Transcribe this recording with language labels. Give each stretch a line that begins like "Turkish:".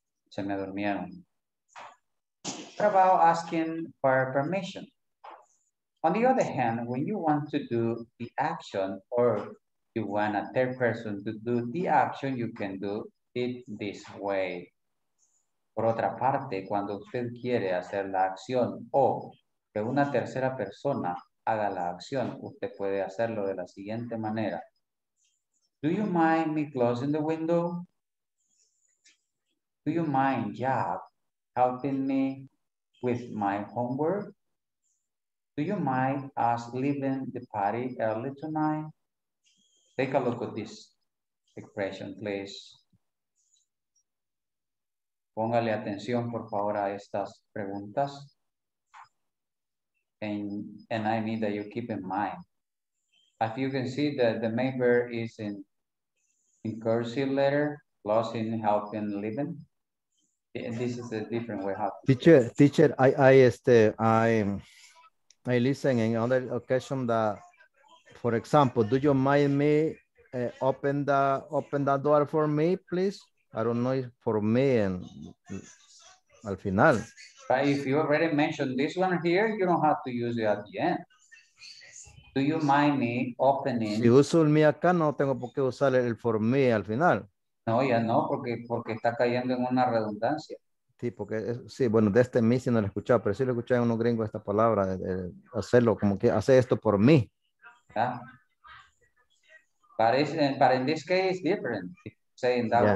Spanish: Se me durmieron.
English: What about asking for permission? On the other hand, when you want to do the action or you want a third person to do the action, you can do it this way.
Spanish: Por otra parte, cuando usted quiere hacer la acción o que una tercera persona haga la acción, usted puede hacerlo de la siguiente manera.
English: Do you mind me closing the window? Do you mind Jack helping me with my homework? Do you mind us leaving the party early tonight? Take a look at this expression, please.
Spanish: Póngale atención, por favor, a estas preguntas.
English: And I mean that you keep in mind. As you can see, that the main verb is in cursive letter, closing, helping, leaving. And this is a different way. Teacher, I listen in other occasion that, for example, do you mind me open the door for me, please? I don't know if for me and
Spanish: al final.
English: But if you already mentioned this one here, you don't have to use it at the end. Do you mind me opening?
Spanish: Si uso el mío acá, no tengo por qué usar el
English: for me
Spanish: al final. No, ya no, porque está cayendo en una redundancia. Sí, porque es, sí, bueno, de este mí sí no lo he escuchado, pero sí lo he escuchado en unos gringos esta palabra, de hacerlo, como que hace esto por mí. Ah.
English: But in this case, it's different, saying that yeah.